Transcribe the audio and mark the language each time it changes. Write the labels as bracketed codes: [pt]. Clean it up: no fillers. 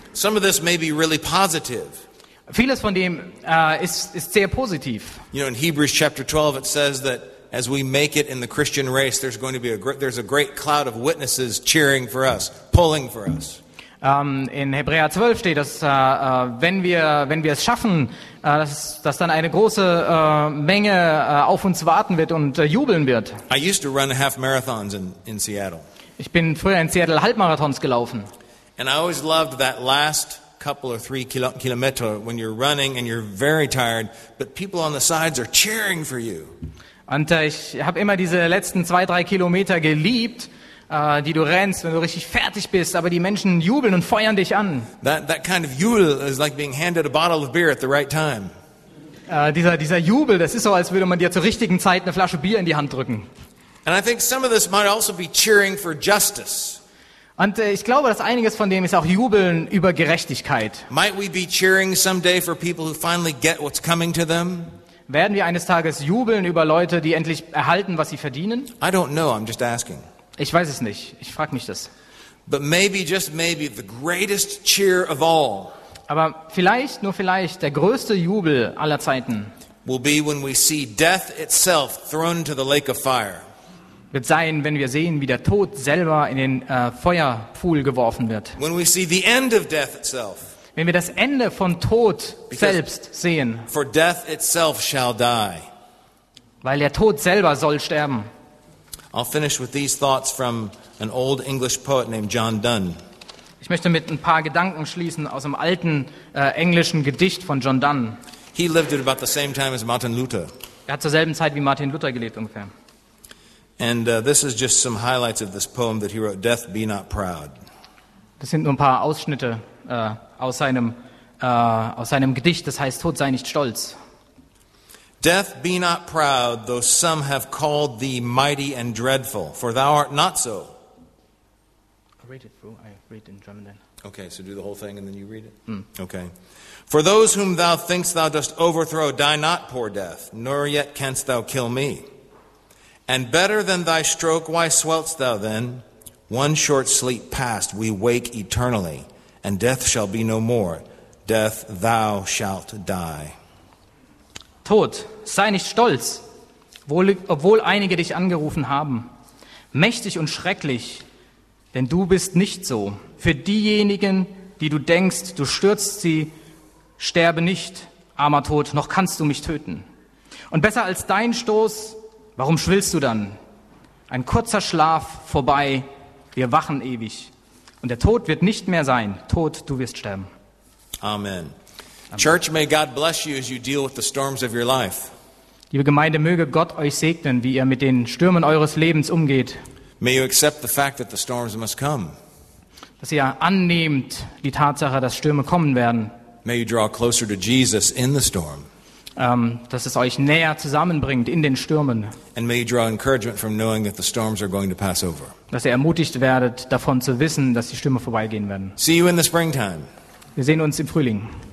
[en] Some of this may be really positive. [de] Vieles von dem ist sehr positiv. [en] You know, in Hebrews chapter 12 it says that as we make it in the Christian race, there's a great cloud of witnesses cheering for us, pulling for us. [de] In Hebräer 12 steht, dass wenn wir es schaffen, dass dann eine große Menge auf uns warten wird und jubeln wird. [en] I used to run half marathons in Seattle. [de] Ich bin früher in Seattle Halbmarathons gelaufen. [en] And I always loved that last couple or three kilometer when you're running and you're very tired, but people on the sides are cheering for you. [de] Und ich habe immer diese letzten 2-3 Kilometer geliebt, die du rennst, wenn du richtig fertig bist, aber die Menschen jubeln und feuern dich an. [en] That kind of jubel is like being handed a bottle of beer at the right time. [de] Dieser Jubel, das ist so, als würde man dir zur richtigen Zeit eine Flasche Bier in die Hand drücken. [en] And I think some of this might also be cheering for justice. [de] Und ich glaube, dass einiges von dem ist auch Jubeln über Gerechtigkeit. [en] Might we be cheering someday for people who finally get what's coming to them? [de] Werden wir eines Tages jubeln über Leute, die endlich erhalten, was sie verdienen? [en] I don't know, I'm just asking. [de] Ich weiß es nicht. Ich frage mich das. [en] But maybe, just maybe, the greatest cheer of all. [de] Aber vielleicht, nur vielleicht, der größte Jubel aller Zeiten [en] will be when we see death itself thrown into the lake of fire. [de] Wird sein, wenn wir sehen, wie der Tod selber in den Feuerpfuhl geworfen wird. [en] When we see the end of death itself. [de] Wenn wir das Ende von Tod [en] Because [de] selbst sehen. [en] For death itself shall die. [de] Weil der Tod selber soll sterben. [en] I'll finish with these thoughts from an old English poet named John Donne. [de] Ich möchte mit ein paar Gedanken schließen aus einem alten englischen Gedicht von John Donne. [en] He lived at about the same time as Martin Luther. [de] Er hat zur selben Zeit wie Martin Luther gelebt ungefähr. [en] And this is just some highlights of this poem that he wrote, Death Be Not Proud. [de] Das sind nur ein paar Ausschnitte aus seinem aus seinem Gedicht, das heißt, Tod sei nicht stolz. [en] Death, be not proud, though some have called thee mighty and dreadful, for thou art not so. I read it through, I read it in German then. Okay, so do the whole thing and then you read it? Okay. For those whom thou think'st thou dost overthrow, die not, poor death, nor yet canst thou kill me. And better than thy stroke, why swell'st thou then? One short sleep past, we wake eternally, and death shall be no more. Death, thou shalt die. [de] Tod, sei nicht stolz, obwohl einige dich angerufen haben. Mächtig und schrecklich, denn du bist nicht so. Für diejenigen, die du denkst, du stürzt sie, sterbe nicht, armer Tod, noch kannst du mich töten. Und besser als dein Stoß, warum schwillst du dann? Ein kurzer Schlaf vorbei, wir wachen ewig. Und der Tod wird nicht mehr sein. Tod, du wirst sterben. Amen. [en] Church, may God bless you as you deal with the storms of your life. [de] Liebe Gemeinde, möge Gott euch segnen, wie ihr mit den Stürmen eures Lebens umgeht. [en] May you accept the fact that the storms must come. [de] Dass ihr annehmt die Tatsache, dass Stürme kommen werden. [en] May you draw closer to Jesus in the storm. [de] Dass es euch näher zusammenbringt in den Stürmen. [en] And may you draw encouragement from knowing that the storms are going to pass over. [de] Dass ihr ermutigt werdet, davon zu wissen, dass die Stürme vorbeigehen werden. [en] See you in the springtime. [de] Wir sehen uns im Frühling.